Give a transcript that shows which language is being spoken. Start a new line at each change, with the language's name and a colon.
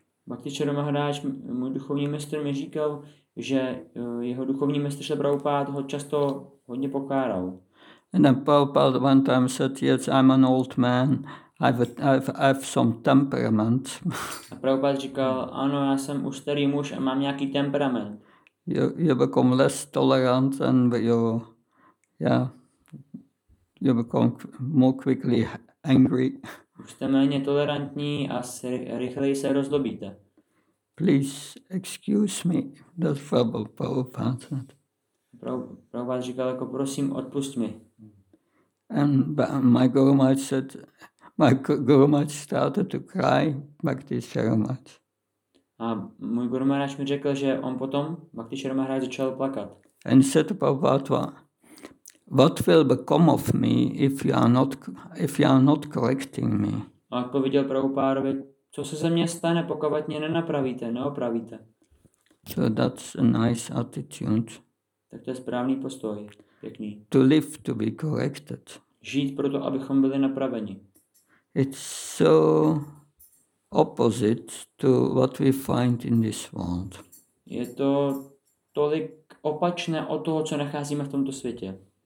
Czech: Bhakti Sharma Maharaj, můj duchovní mistr, mi říkal, že jeho duchovní mistr Srila Prabhupada ho často hodně pokáral.
English: And then Prabhupada one time said, yes, I'm an old man, I have some temperament.
Czech: A Prabhupada říkal, ano, já jsem už starý muž a mám nějaký temperament.
English: You become less tolerant and you become more quickly angry.
Czech: Už jste méně tolerantní a rychleji se rozlobíte.
English: Please excuse me, that's Prabhupada.
Czech: Prabhupada říkal, jako prosím, odpust mi.
English: And my Guru Maharaj said, my Guru Maharaj started to cry, Bhakti Sharma Maharaj.
Czech: A můj Guru Maharaj mi řekl, že on potom, Bhakti Sharma Maharaj, začal plakat.
English: And said to Prabhupada, what will become of me if you are not correcting me?
Czech: A odpověděl Prabhupádovi, co se ze mě stane, pokud mě nenapravíte, neopravíte.
English: So that's a nice attitude.
Czech: Tak to je správný postoj. Pěkný.
English: To live to be corrected.
Czech: Žít proto, abychom byli napraveni.
English: It's so opposite to what we find in this world.
Czech: Je to tolik opačné od toho, co nacházíme v tomto světě.